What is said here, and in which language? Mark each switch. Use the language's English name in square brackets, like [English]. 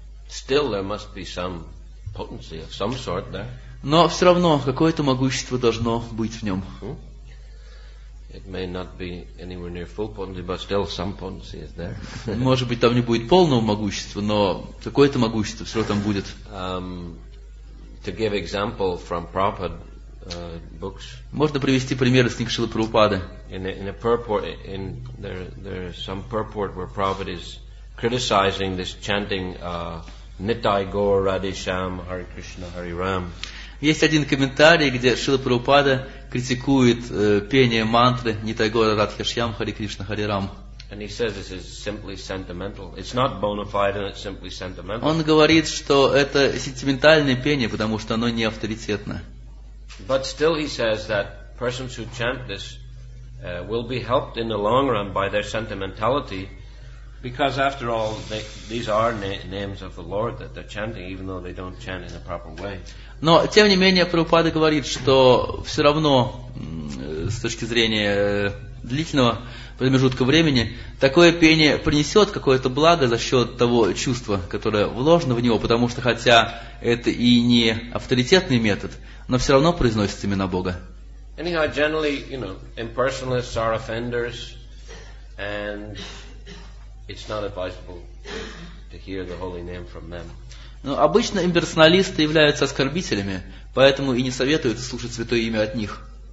[English] Still there must be some potency of some sort there. [Russian] Но все равно какое-то могущество должно быть в нем. [English] It may not be anywhere near full potency, but still some potency is there. [Russian] Может быть, там не будет полного могущества, но какое-то могущество все равно там будет. [English] To give example from Prabhupada, books. [Russian] Можно привести примеры с книги Шрилы Прабхупады. [English] There is some purport where Prabhupada is criticizing this chanting Nitai Gaur Radhe Shyam Hare Krishna Hare Ram. [Russian] Есть один комментарий, где Шрила Прабхупада критикует пение мантры Нитай Гаур Радхе Шьям Хари Кришна Хари Рам. [English] And he says this is simply sentimental. It's not bona fide and it's simply sentimental. [Russian] Он говорит, что это сентиментальное пение, потому что оно не авторитетно. [English] But still he says that persons who chant this will be helped in the long run by their sentimentality. Because after all, these are names of the Lord that they're chanting, even though they don't chant in a proper way. [Russian] Но тем не менее Прабхупада говорит, что все равно с точки зрения длительного промежутка времени такое пение принесет какое-то благо за счет того чувства, которое вложено в него, потому что хотя это и не авторитетный метод, но все равно произносится имена Бога. [English] Anyhow, generally, you know, impersonalists are offenders, and it's not advisable to hear the holy name from them. [Russian] Но обычно имперсоналисты являются оскорбителями, поэтому и не советуют слушать святое имя от них.